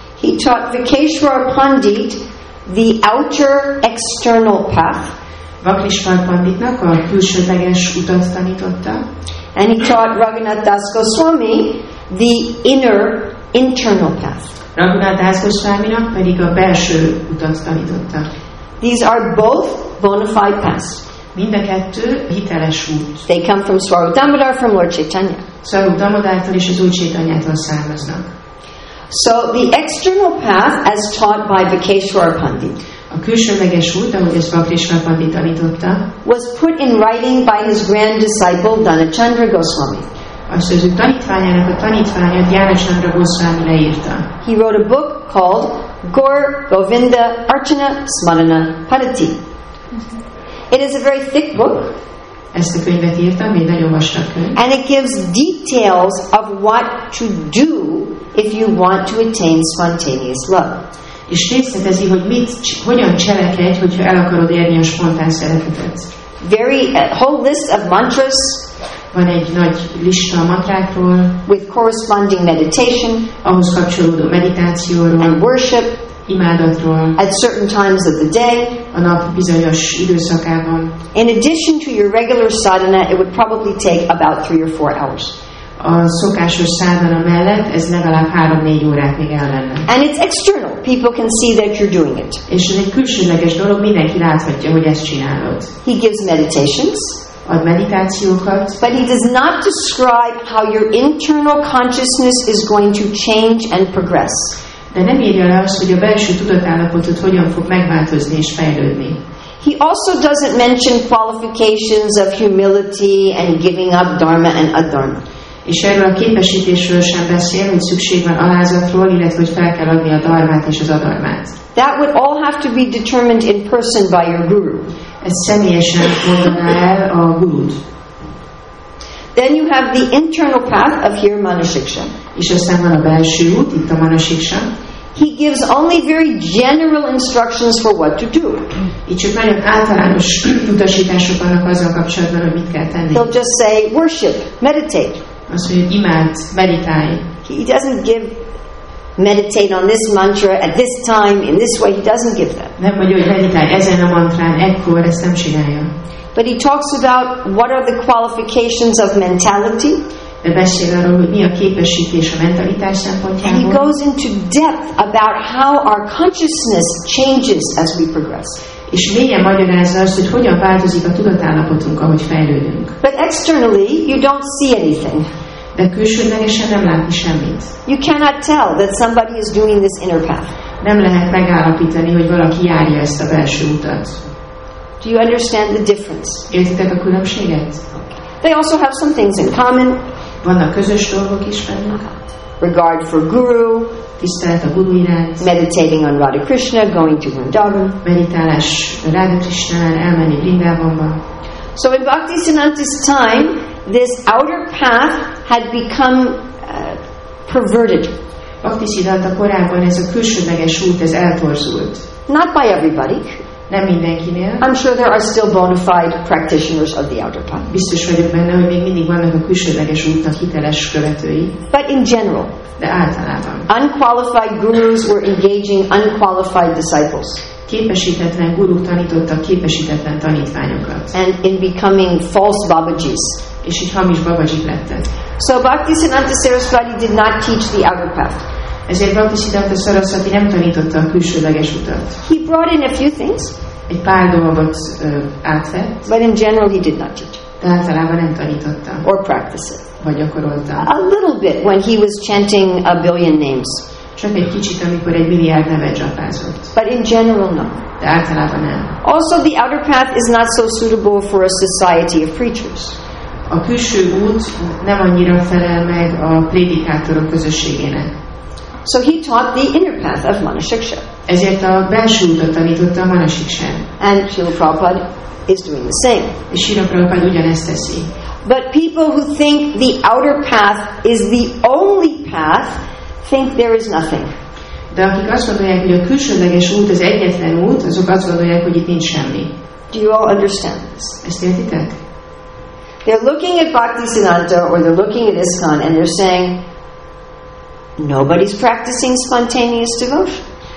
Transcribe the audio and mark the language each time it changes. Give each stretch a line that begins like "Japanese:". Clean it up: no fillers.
English: He taught Vakeshwar Pandit the outer external path.
Hungarian: Vakeshwar Panditnak a külsőleges utat tanította.
English: And he taught Raghunath Das Goswami the inner internal path.
Hungarian: Raghunath Das Goswaminak pedig a belső utat tanította.
English: These are both bona fide paths.
Hungarian: Mind a kettő hiteles út.
English: They come from Swarup Damodar, from Lord Chaitanya.
Hungarian: Swarup Damodartól és az Úr Chaitanyától származnak.
English: So the external path as taught by Vakeshwar Pandit.
Hungarian: A külsőleges út, ahogy ezt Vakeshwar Pandit tanította,
English: was put in writing by his grand disciple Dhanachandra Goswami.
Hungarian: Azt az ő tanítványának a tanítványa Dhanachandra Goswami leírta.
English: He wrote a book called Gaur Govinda Archana Smarana Padati. It is a very thick book.
Hungarian: Ezt a könyvet írtam, egy nagyon vastag könyv.
English: And it gives details of what to do if you want to attain spontaneous love.
Hungarian: És részletezi, hogy hogyan cselekedj, hogyha el akarod érni a spontán szeretetet.
English: Very whole list of mantras.
Hungarian: Van egy nagy lista a mantrákról.
English: With corresponding meditation.
Hungarian: Ahhoz kapcsolódó meditációról.
English: And worship.
Hungarian: Imádatról,
English: at certain times of the day,
Hungarian: a nap bizonyos időszakában.
English: In addition to your regular sadhana, it would probably take about 3 or 4 hours.
Hungarian: A szokásos sadhana mellett ez legalább 3-4 órát még el lenne.
English: And it's external. People can see that you're doing it.
Hungarian: És ez egy külsőleges dolog, mindenki láthatja, hogy ezt csinálod.
English: He gives meditations.
Hungarian: Ad meditációkat.
English: But he does not describe how your internal consciousness is going to change and progress.
Hungarian: De nem írja le azt, hogy a belső tudatállapotot hogyan fog megváltozni és fejlődni.
English: He also doesn't mention qualifications of humility and giving up dharma and adharma.
Hungarian: És erről a képesítésről sem beszél, hogy szükség van alázatról, illetve hogy fel kell adni a dharmát és az adharmát.
English: That would all have to be determined in person by your guru.
Hungarian: Ez személyesen mondaná el a gurud.
English: Then you have the internal path of here Manasiksha.
Hungarian: És aztán van a belső út, itt a Manasiksha.
English: He gives only very general instructions for what to do.
Hungarian: Itt csak nagyon általános utasítások vannak azzal kapcsolatban, hogy mit kell tenni.
English: He'll just say, worship, meditate.
Hungarian: Azt mondja, hogy imádj, meditálj.
English: He doesn't give meditate on this mantra at this time, in this way, he doesn't give that.
Hungarian: Nem mondja, hogy meditálj ezen a mantrán, ekkor, ezt nem csinálja.
English: But he talks about what are the qualifications of mentality.
Hungarian: De beszél arról, hogy mi a képesítés a mentalitás szempontjából.
English: And he goes into depth about how our consciousness changes as we progress.
Hungarian: És mélyen magyarázza azt, hogy hogyan változik a tudatállapotunk, ahogy fejlődünk.
English: But externally, you don't see anything.
Hungarian: De külsődlegesen nem látni semmit.
English: You cannot tell that somebody is doing this inner path.
Hungarian: Nem lehet megállapítani, hogy valaki járja ezt a belső utat.
English: Do you understand the difference?
Hungarian: Értitek a különbséget?
English: They also have some things in common.
Hungarian: Vannak közös dolgok is bennük.
English: Regard for guru,
Hungarian: tisztelet a guru iránt.
English: Meditating on Radha Krishna, going to Vrindavan.
Hungarian: Meditálás Radha Krishnán, elmenni Vrindavanban.
English: So in Bhaktisiddhanta's time, this outer path had become perverted.
Hungarian: Bhaktisiddhanta korában ez a külsődleges út ez eltorzult.
English: Not by everybody.
Hungarian: Nem mindenkinél.
English: I'm sure there are still bona fide practitioners of the outer path.
Hungarian: Biztos vagyok benne, hogy még mindig vannak a külsődleges útnak hiteles követői.
English: But in general,
Hungarian: de általában.
English: Unqualified gurus were engaging unqualified disciples.
Hungarian: Képesítetlen guruk tanítottak képesítetlen tanítványokat.
English: And in becoming false babajis.
Hungarian: És így hamis babajik lettek.
English: So Bhaktisiddhanta Saraswati did not teach the outer path.
Hungarian: Ezért Bhaktisiddhanta Saraswati nem tanította a külsődleges utat.
English: He brought in a few things.
Hungarian: Egy pár dolgot átvett.
English: But in general he did not teach.
Hungarian: De általában nem tanította.
English: Or practice it.
Hungarian: Vagy gyakorolta.
English: A little bit when he was chanting a billion names.
Hungarian: Csak egy kicsit, amikor egy milliárd nevet japázott.
English: But in general no.
Hungarian: De általában nem.
English: Also the outer path is not so suitable for a society of preachers.
Hungarian: A külső út nem annyira felel meg a prédikátorok közösségének.
English: So he taught the inner path of Manasiksha.
Hungarian: Ezért a belső utat tanította a Manasiksha.
English: And Srila Prabhupada is doing the same.
Hungarian: És Srila Prabhupada ugyanezt teszi.
English: But people who think the outer path is the only path think there is nothing.
Hungarian: De akik azt gondolják, hogy a külsődleges út az egyetlen út, azok azt gondolják, hogy itt nincs semmi.
English: Do you all understand this?
Hungarian: Ezt értitek?
English: They're looking at Bhaktisiddhanta or they're looking at ISKCON and they're saying, nobody's practicing spontaneous devotion.